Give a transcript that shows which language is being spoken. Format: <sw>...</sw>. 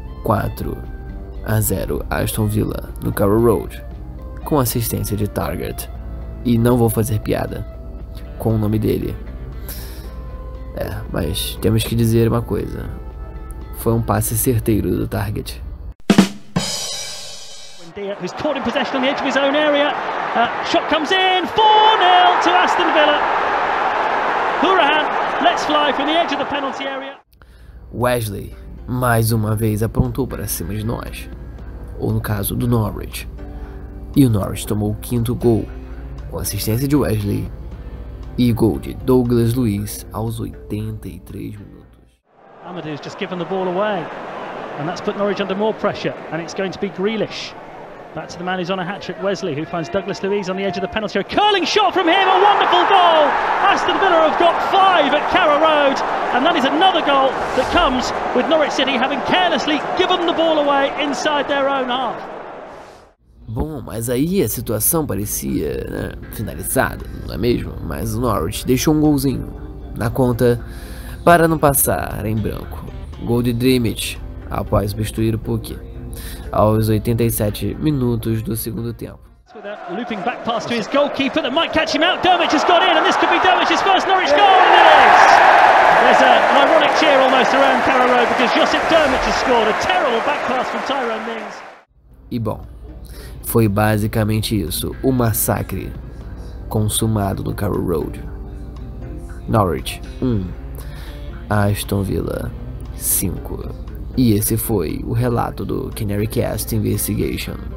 <pt>4-0, Aston Villa, no Carroll Road, com assistência de Target. E não vou fazer piada com o nome dele. É, mas temos que dizer uma coisa. Foi um passe certeiro do Target.</pt> <en>Buendia, who's caught in possession on the edge of his own area. Shot comes in, 4-0 to Aston Villa. Hourihan lets fly from the edge of the penalty area.</en> <pt>Wesley, mais uma vez, aprontou para cima de nós. Ou no caso, do Norwich. E o Norwich tomou o quinto gol, com assistência de Wesley e gol de Douglas Luiz aos 83 minutos.</pt> <en>Amadou just given the ball away. And that's put Norwich under more pressure, and it's going to be Grealish. Back to the man who's on a hat-trick, Wesley, who finds Douglas Luiz on the edge of the penalty area. Curling shot from him, a wonderful goal! Aston Villa have got five at Carrow Road, and that is another goal that comes with Norwich City having carelessly given the ball away inside their own half.</en> <pt>Bom, mas aí a situação parecia, né, finalizada, não é mesmo? Mas o Norwich deixou um golzinho na conta para não passar em branco. Gol de Dimic, após substituir o Pukki, aos 87 minutos do segundo tempo.</pt> <en>Looping back pass to his goalkeeper that might catch him out. Dermot has got in, and this could be Dermot's first Norwich goal, and it is! There's an ironic cheer almost around Carrow Road because Josip Dermot has scored a terrible back pass from Tyrone Mings.</en> <pt>E bom, foi basicamente isso, o massacre consumado no Carrow Road. Norwich 1, Aston Villa 5. E esse foi o relato do Canarycast Investigation.</pt>